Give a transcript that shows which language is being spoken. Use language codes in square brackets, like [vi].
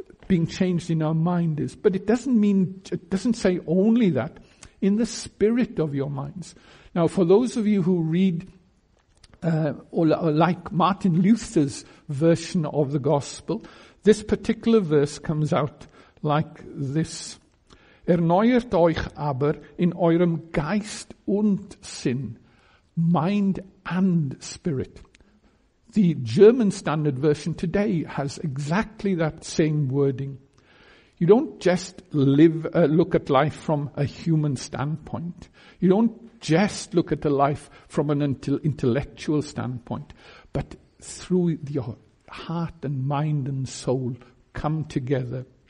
[en] being changed in our mind is. But it doesn't mean, it doesn't say only that, in the spirit of your minds. Now, for those of you who read or like Martin Luther's version of the gospel, this particular verse comes out like this. [de] Erneuert euch aber in eurem Geist und Sinn, [en] mind and spirit. The German Standard Version today has exactly that same wording. You don't just look at life from a human standpoint. You don't just look at the life from an intellectual standpoint, but through your heart and mind and soul come together.